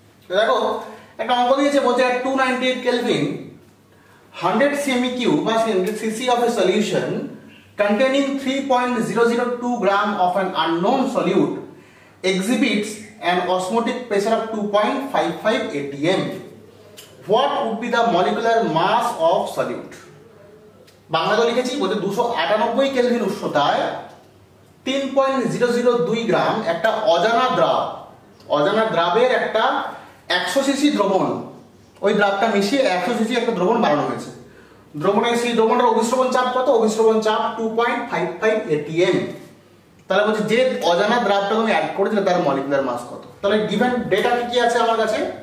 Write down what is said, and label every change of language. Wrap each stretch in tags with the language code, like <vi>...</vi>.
<bn>দেখো একটা অঙ্ক দিয়েছে, বলছে 298 কেলভিন 100 সেমি কিউ বা CC</bn> <en>Of a solution containing 3.002 gram of an unknown solute exhibits an osmotic pressure of 2.55 atm. What would be the molecular mass of solute?</en> <bn>বাংলাতে লিখেছি, বলতে 298 কেলভিন উষ্ণতায় 3.002 গ্রাম একটা অজানা দ্রব, অজানা দ্রবের একটা 100 সিসি দ্রবণ, ওই দ্রবটা মিশিয়ে 100 সিসি একটা দ্রবণ বানানো হয়েছে, দ্রবণের সেই দ্রবণের অভিশ্রবণ চাপ কত, অভিশ্রবণ চাপ 2.55 atm, তাহলে বলছে যে অজানা দ্রবটা তুমি অ্যাড করেছিলে তার মলিকুলার মাস কত, তাহলে গিভেন ডেটা কি আছে আমার কাছে,</bn>